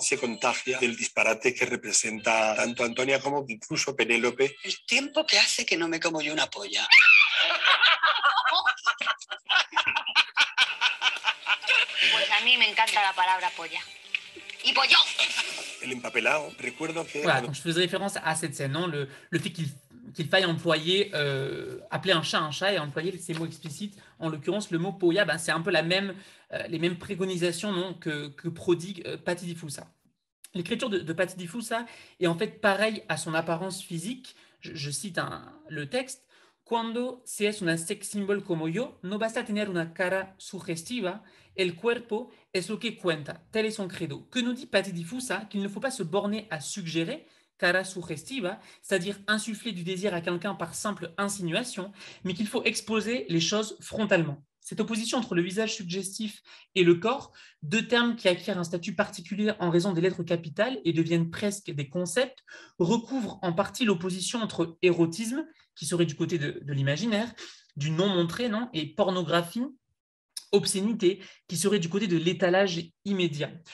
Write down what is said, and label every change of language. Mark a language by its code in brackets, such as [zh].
[es] Se contagia del disparate que representa tanto Antonia como incluso Penélope. El tiempo que hace que no me como yo una polla. Pues a mí me encanta la palabra polla. Y pollo. El empapelado. Recuerdo que. [fr] Voilà, donc je faisais référence à cette scène, non? Le fait qu'il faille employer, appeler un chat et employer ces mots explicites. En l'occurrence, le mot polla, ben, c'est un peu la même. Les mêmes préconisations non, que prodigue Patti Di Fussa. L'écriture de Patti Di Fussa est en fait pareille à son apparence physique. Je cite le texte. [es] « Cuando se es una sex symbol como yo, no basta tener una cara sugestiva, el cuerpo es lo que cuenta. » [fr] Tel est son credo. Que nous dit Patti Di Fussa? Qu'il ne faut pas se borner à suggérer cara sugestiva, c'est-à-dire insuffler du désir à quelqu'un par simple insinuation, mais qu'il faut exposer les choses frontalement. Cette opposition entre le visage suggestif et le corps, deux termes qui acquièrent un statut particulier en raison des lettres capitales et deviennent presque des concepts, recouvrent en partie l'opposition entre érotisme, qui serait du côté de l'imaginaire, du non montré, non, et pornographie, obscénité, qui serait du côté de l'étalage immédiat.